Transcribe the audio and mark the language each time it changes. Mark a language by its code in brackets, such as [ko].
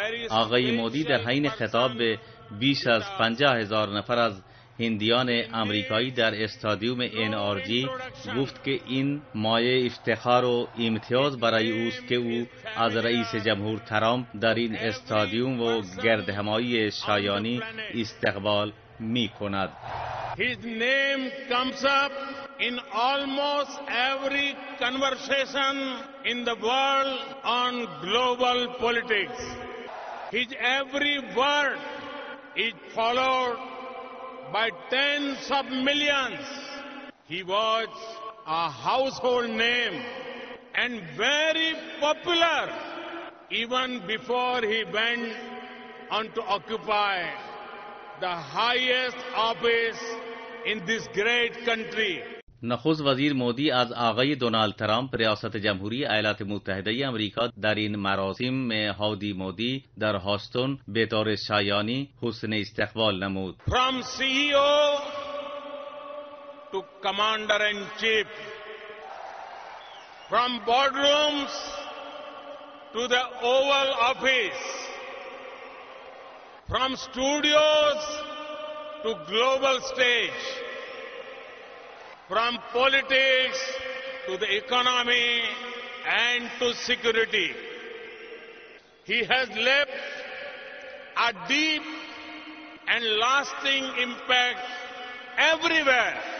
[fa] آقای مودی در حین خطاب به بیش از 50,000 نفر از هندیان آمریکایی در استادیوم NRG گفت که این مایه افتخار و امتیاز برای اوست که او از رئیس جمهور ترامپ در این استادیوم و گرد همایی شایانی استقبال می کند. [en] His name comes up in almost every conversation in the world on global politics. His every word is followed by tens of millions. He was a household name and very popular even before he went and to occupy the highest office in this great country. [fa] نخست وزیر مودی از آقای دونالد ترامپ ریاست جمهوری ایالات متحده آمریکا در این مراسم می هادی مودی در هاستون به طور شایانی حسن استقبال نمود. [en] From CEO to commander in chief, from boardrooms to the oval office, from studios to global stage, from politics to the economy and to security, he has left a deep and lasting impact everywhere.